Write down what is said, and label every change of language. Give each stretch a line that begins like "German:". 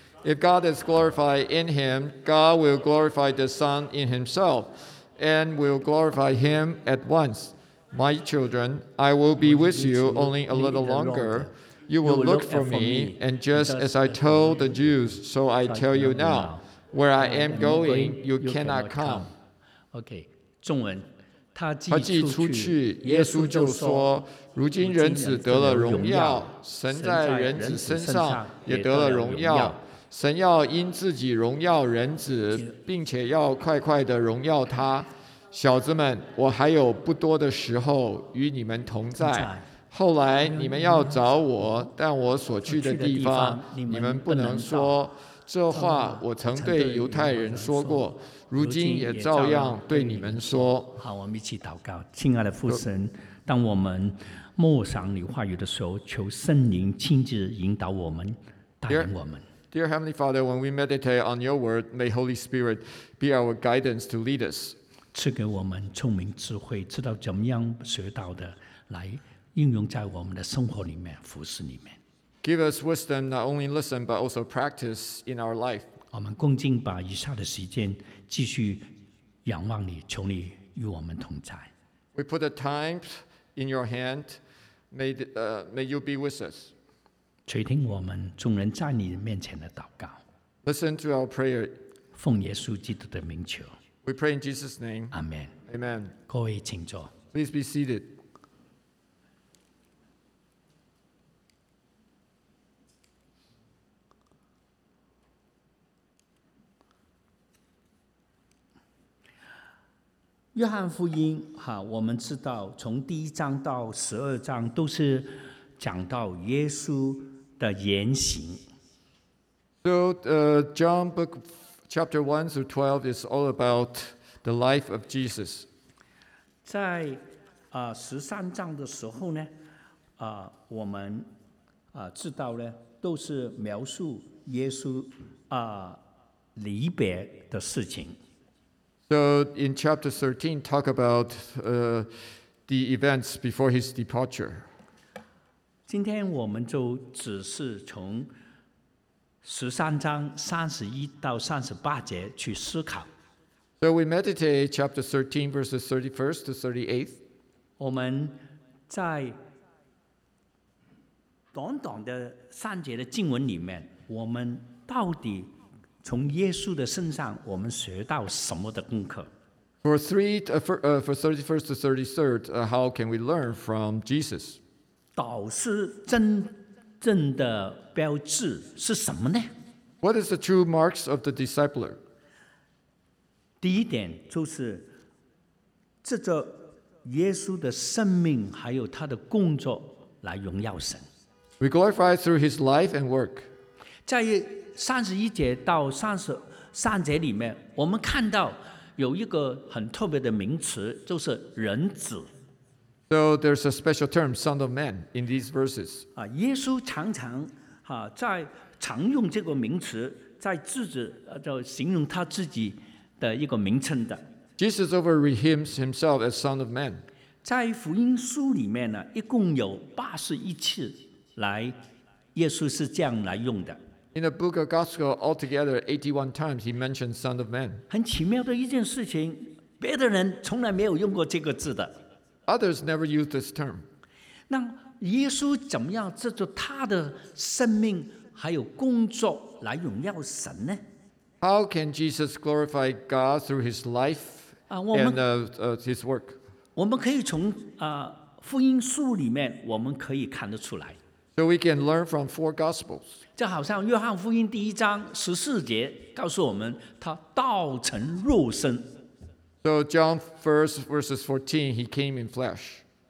English: If God is glorified in him, God will glorify the Son in himself, and will glorify him at once. My children, I will be with you only a little longer. You will look for me, and just as I told the Jews, so I tell you now. Where I am going, you cannot come. Okay,
Chinese: 中文。他既出去，耶稣就说：“如今人子得了荣耀，神在人子身上也得了荣耀。神要因自己荣耀人子，并且要快快地荣耀他。小子们，我还有不多的时候与你们同在。后来你们要找我，但我所去的地方，你们不能说。这话我曾对犹太人说过。” 如今也照样对你们说。好，我们一起祷告。亲爱的父神，当我们默想你话语的时候，求圣灵亲自引导我们，带领我们。
English: Dear Heavenly Father, when we meditate on your word, may Holy Spirit be our guidance to lead us.
Chinese: 赐给我们聪明智慧，知道怎么样学到的，来应用在我们的生活里面，服事里面。
English: Give us wisdom, not only listen, but also practice in our life.
Chinese: 我们恭敬把以下的时间继续仰望你，求你与我们同在。
English: We put the time in your hand, may you be with us.
Chinese: 垂听我们众人在你面前的祷告。
English: Listen to our prayer.
Chinese: 奉耶稣基督的名求。
English: We pray in Jesus' name. Amen. Amen.
Chinese: 各位请坐。
English: Please be seated.
Chinese: 约翰福音我们知道从第一章到十二章都是讲到耶稣的言行。
English: So, John book chapter 1 through 12 is all about the life of Jesus.
Chinese: 在十三章的时候呢我们知道呢都是描述耶稣离别的事情。
English: So in chapter 13, talk about the events before his departure.
Chinese: 今天我们就只是从十三章三十一到三十八节去思考。
English: So we meditate chapter 13, verses 31 to 38.
Chinese: 我们在短短的三节的经文里面，我们到底从耶稣的身上我们学到什么的功课？
English: For 31 to 33, how can we learn from Jesus?
Chinese: 导师真正的标志是什么呢？
English: What is the true marks of the discipler?
Chinese: 第一点就是借着耶稣的生命还有他的工作来荣耀神。
English: We glorify through his life and work.
Chinese: 在三十一节到三十三节里面，我们看到有一个很特别的名词，就是人子。
English: So there's a special term, Son of Man, in these verses.
Chinese: 耶稣常常在常用这个名词，在自己就形容他自己的一个名称的。
English: Jesus overhims himself as Son of Man.
Chinese: 在福音书里面呢，一共有八十一次来，耶稣是这样来用的。
English: In the book of Gospel, altogether 81 times he mentioned Son of Man.
Chinese: 很奇妙的一件事情，别的人从来没有用过这个字的。
English: Others never used this term.
Chinese: 那耶稣怎么样借着他的生命还有工作来荣耀神呢？
English: How can Jesus glorify God through his life and his work?
Chinese: 我们可以从福音书里面我们可以看得出来。
English: So we can learn from four Gospels.
Chinese: 就好像约翰福音第一章十四节告诉我们，他道成肉身。
English: So John 1 verses 14, he came in flesh.